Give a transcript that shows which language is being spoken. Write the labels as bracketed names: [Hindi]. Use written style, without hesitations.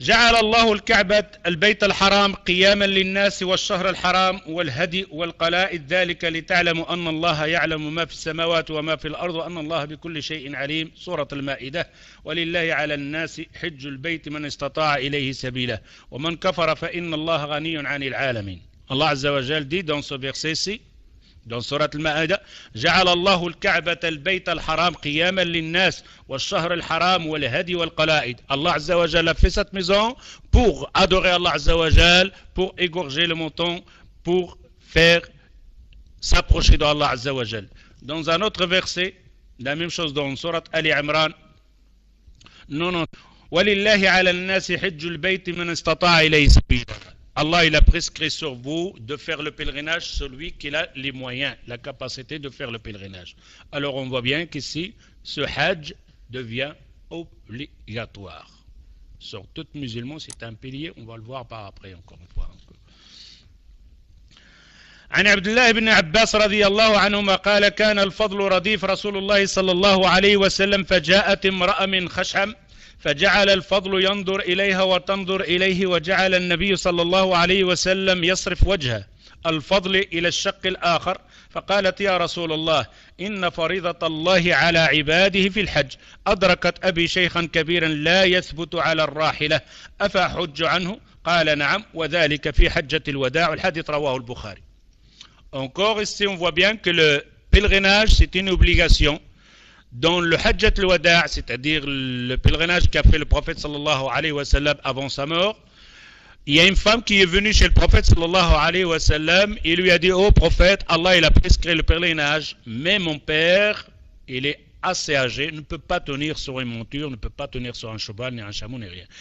[Arabic] جعل الله الكعبة البيت الحرام قياما للناس والشهر الحرام والهدي والقلائد ذلك لتعلموا أن الله يعلم ما في السماوات وما في الأرض وأن الله بكل شيء عليم سورة المائدة ولله على الناس حج البيت من استطاع إليه سبيلا ومن كفر فإن الله غني عن العالمين. الله عز وجل [French] دي دون سو فيرسيسي دون [Arabic] سورة المائدة جعل الله الكعبة البيت الحرام قياما للناس والشهر الحرام والهدي والقلائد. الله عز وجل [French] في cette maison pour adorer Allah عز وجل pour égorger le mouton pour faire s'approcher de Allah عز وجل. Dans un autre verset la même chose dans [Arabic] سورة Ali Imran ولله على الناس حج البيت من استطاع إليه سبيلا. [French] Allah il a prescrit sur vous de faire le pèlerinage celui qui a les moyens, la capacité de faire le pèlerinage. Alors on voit bien qu'ici, ce hajj devient obligatoire. Sur tout musulman, c'est un pilier, on va le voir par après encore une fois. [Arabic] عن عبد الله بن عباس رضي الله عنهما قال كان الفضل رديف رسول الله صلى الله عليه وسلم فجاءت امرأة من خشم فجعل الفضل ينظر إليها وتنظر إليه وجعل النبي صلى الله عليه وسلم يصرف وجهه الفضل إلى الشق الآخر فقالت يا رسول الله إن فريضة الله على عباده في الحج أدركت أبي شيخا كبيرا لا يثبت على الراحلة أفحج عنه قال نعم وذلك في حجة الوداع. الحديث رواه البخاري. [French] Encore ici on voit bien que le pèlerinage c'est une obligation. Dans le Hajjat al-Wada', c'est-à-dire le pèlerinage qu'a fait le prophète sallallahu alayhi wa sallam avant sa mort, il y a une femme qui est venue chez le prophète sallallahu alayhi wa sallam et lui a dit « Oh prophète, Allah il a prescrit le pèlerinage, mais mon père, il est assez âgé, ne peut pas tenir sur une monture, ne peut pas tenir sur un cheval, ni un chameau, ni rien.